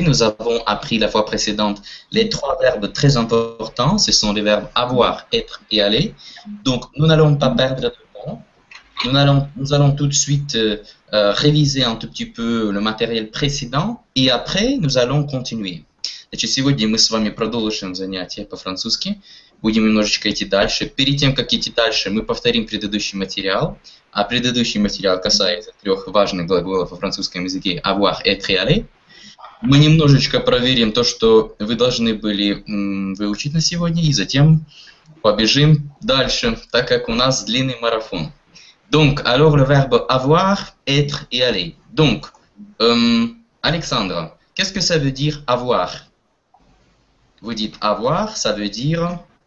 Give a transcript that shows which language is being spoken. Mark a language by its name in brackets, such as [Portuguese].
[French] Nous avons appris la fois précédente les trois verbes très importants. Ce sont les verbes avoir, être et aller. Donc, nous n'allons pas perdre de temps. Nous allons tout de suite réviser un tout petit peu le matériel précédent et après, nous allons continuer. [Russian] Значит, сегодня мы с вами продолжим занятия по-французски. Будем немножечко идти дальше. Перед тем, как идти дальше, мы повторим предыдущий материал. А предыдущий материал касается трех важных глаголов во французском языке «avoir», «être» и «aller». Мы немножечко проверим то, что вы должны были выучить на сегодня, и затем побежим дальше, так как у нас длинный марафон. [French] Donc, alors le verbe avoir, être et aller. Donc, Alexandre, qu'est-ce que ça veut dire avoir? Vous dites avoir, ça veut dire...